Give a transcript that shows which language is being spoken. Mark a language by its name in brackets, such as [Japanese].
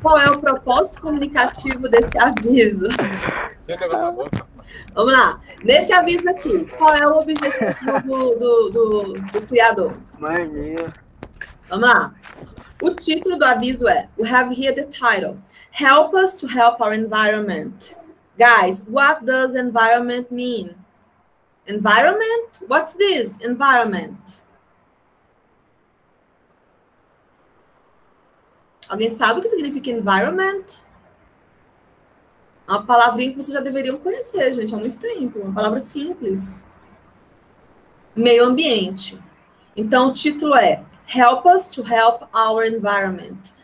[Portuguese] Qual é o propósito comunicativo desse aviso? Vamos lá. Nesse aviso aqui, qual é o objetivo do criador? Mãe minha. Vamos lá. O título do aviso é: [English] We have here the title. Help us to help our environment. Guys, what does environment mean? Environment? What's this environment? [Portuguese] Alguém sabe o que significa environment? Uma palavrinha que vocês já deveriam conhecer, gente, há muito tempo. Uma palavra simples. Meio ambiente. Então, o título é [English] Help us to help our environment.